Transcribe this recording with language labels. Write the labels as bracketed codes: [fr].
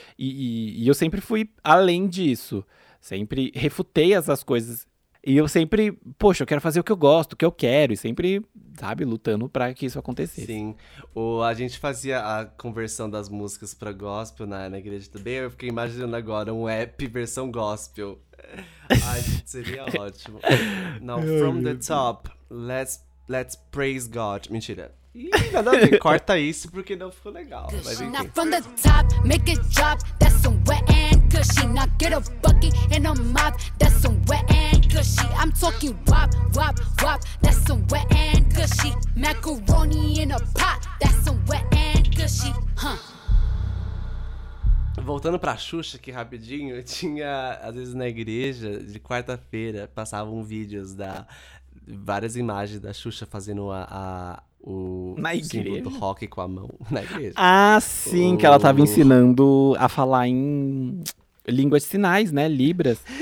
[pt] E eu sempre fui além disso. Sempre refutei essas coisas. E eu sempre, poxa, eu quero fazer o que eu gosto, o que eu quero. E sempre, sabe, lutando pra que isso acontecesse. Sim. A gente fazia a conversão das músicas pra gospel na igreja também. Eu fiquei imaginando agora um app versão gospel. Ai, gente, seria ótimo. [en] Now, from the top, let's praise God. [pt] Mentira. Ih, nada a ver, corta isso porque não ficou legal. Mas enfim. [en] Now, from the top, make it drop, that's some wet and cushy. Now, get a bucket and a mop, that's some wet and gushy. I'm talking wop, wop, wop, that's some wet and gushy. Macaroni in a pot, that's some wet and gushy, huh? [pt] Voltando pra Xuxa aqui rapidinho, eu tinha, às vezes na igreja, de quarta-feira, passavam vídeos da... várias imagens da Xuxa fazendo o símbolo do rock com a mão na igreja. Ah, sim, que ela tava ensinando a falar em línguas de sinais, né, Libras.